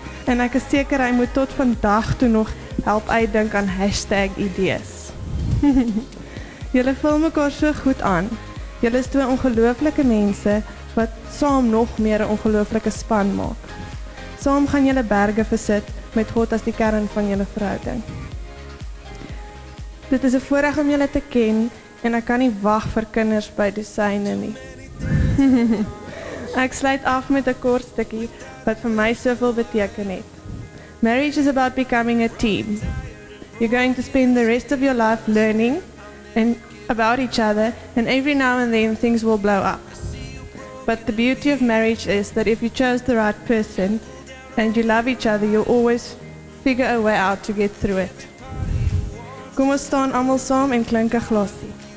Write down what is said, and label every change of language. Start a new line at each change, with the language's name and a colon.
Afrikaans: En ek is seker hy moet tot vandag toe nog help uitdink aan hashtag idees. Julle vul mekaar so goed aan. Julle is twee ongelooflike mense wat saam nog meer 'n ongelooflike span maak. Saam gaan julle berge versit met God as die kern van julle verhouding. Dit is 'n voorreg om julle te ken en ek kan nie wag vir kinders by dosyne nie. Ek sluit af met 'n kort stukkie wat vir my soveel beteken het.
English: Marriage is about becoming a team. You're going to spend the rest of your life learning and about each other, and every now and then things will blow up. But the beauty of marriage is that if you chose the right person and you love each other, you'll always figure a way out to get through it.
Afrikaans: Kom ons staan almal saam en klink 'n glasie.